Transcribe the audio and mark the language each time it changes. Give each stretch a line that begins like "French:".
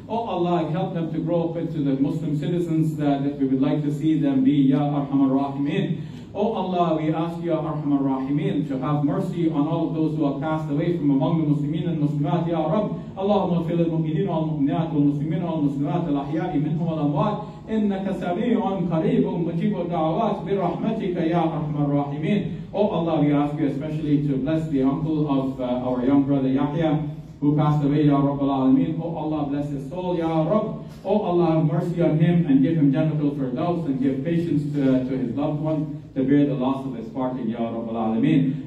English: Oh Allah, help them to grow up into the Muslim citizens that we would like to see them be, Ya Arham al-Rahimeen. Oh Allah, we ask you, Ya Arham al-Rahimeen, to have mercy on all of those who have passed away from among the Muslimin and Muslimat, Ya Rabb.
Arabic: Allahumma fil al-mu'minin wal-mu'minat wal-muslimin wal-muslimat al-ahya'i minhum wal-amwat. إنك سميع قريب مجيب الدعوات برحمتك يا أرحم الراحمين.
English: Oh Allah, we ask you especially to bless the uncle of our young brother Yahya, who passed away, Ya Rabb al-Alameen. Oh Allah, bless his soul, Ya Rabb. Oh Allah, have mercy on him and give him gentle firdaus and give patience to his loved one to bear the loss of his parting, Ya Rabb al-Alameen.